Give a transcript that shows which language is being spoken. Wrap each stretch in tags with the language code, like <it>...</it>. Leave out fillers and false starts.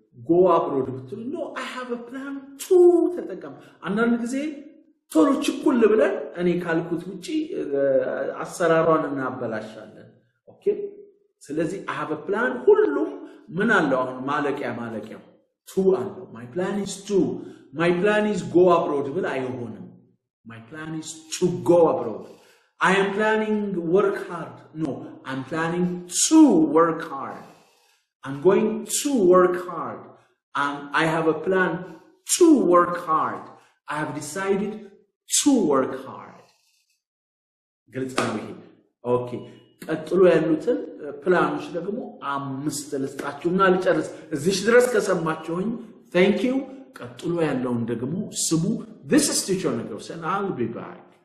<en>go abroad</en> <am>ብትሉ</am> <en>no I have a plan to</en> <am>ተጠቀም አንዳንድ ጊዜ ቶሎ ችኩል ብለን እኔ ካልኩት ውጪ አሰራሯን እናበላሻለን ኦኬ ስለዚህ</am> <en>I have a plan</en> <am>ሁሉም ምን አለው አሁን ማለቂያ</am> <en>to</en> <am>አለው</am> <en>my plan is to my plan is go abroad</en> <am>ብለ አይሆንም</am> <en>my plan is to go abroad I am planning to work hard. No, I'm planning to work hard. I'm going to work hard. I have a plan to work hard. I have decided to work hard.</en> <am>ግልጽ Okay. ቀጥሎ ያሉትን ፕላኖች ደግሞ አምስት ልስጣችሁና ልጨርስ እዚህ ድረስ ከሰማችሁኝ</am> <en>Thank you.</en> <am>ቀጥሎ ያለውን ደግሞ ስሙ</am> <en>This is teacher Nigus and I'll be back.</en>